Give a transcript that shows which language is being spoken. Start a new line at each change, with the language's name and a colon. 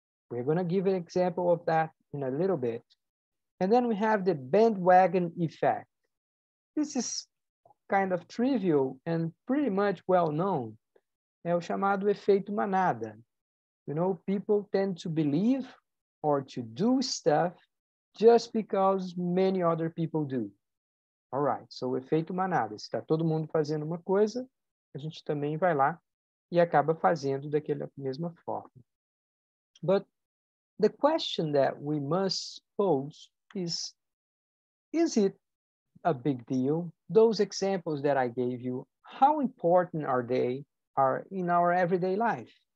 English: We're going to give an example of that in a little bit. And then we have the bandwagon effect. This is kind of trivial and pretty much well known.
Portuguese: É o chamado efeito manada.
English: You know, people tend to believe or to do stuff just because many other people do. All right,
Portuguese: so efeito manada. Se está todo mundo fazendo uma coisa, a gente também vai lá e acaba fazendo daquela mesma forma.
English: But the question that we must pose is it a big deal? Those examples that I gave you, how important are they are in our everyday life?